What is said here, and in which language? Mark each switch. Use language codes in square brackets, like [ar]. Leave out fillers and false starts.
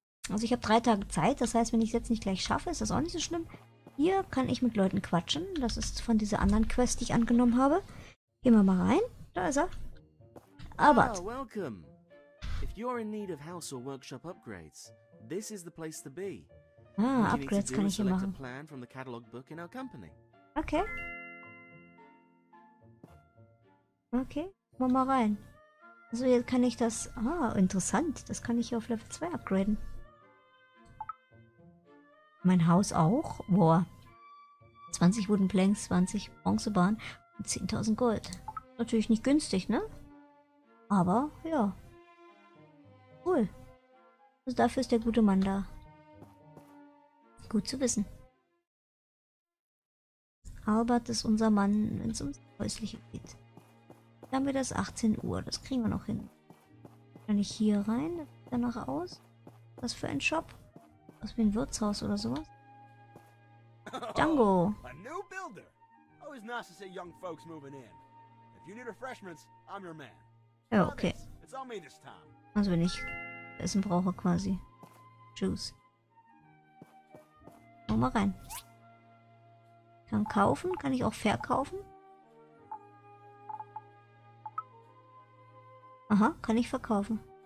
[de] Also ich habe 3 Tage Zeit, das heißt, wenn ich es jetzt nicht gleich schaffe, ist das auch nicht so schlimm. Hier kann ich mit Leuten quatschen, das ist von dieser anderen Quest, die ich angenommen habe. Gehen wir mal rein, da ist er. Abad. [en] Oh, welcome. If you're in need of house or workshop upgrades, this is the place to be. [de] Ah, Upgrades kann ich hier machen. [en] Plan from the catalog book in our company. Okay. [de] Okay, mal rein. Also jetzt kann ich das... Ah, interessant. Das kann ich hier auf Level 2 upgraden. Mein Haus auch? Boah. 20 Wooden Planks, 20 Bronzebahn und 10.000 Gold. Natürlich nicht günstig, ne? Aber, ja. Cool. Also dafür ist der gute Mann da. Gut zu wissen. Albert ist unser Mann, wenn es ums Häusliche geht. Dann haben wir das 18 Uhr, das kriegen wir noch hin. Kann ich hier rein, danach aus? Was für ein Shop? Aus wie ein Wirtshaus oder sowas? Django! [en] A new builder! Always nice to see young folks moving in. If you need refreshments, I'm your man. [de] Ja, okay. Also wenn ich Essen brauche quasi. Juice. Komm mal rein. Kann kaufen, kann ich auch verkaufen? Aha, kann ich verkaufen.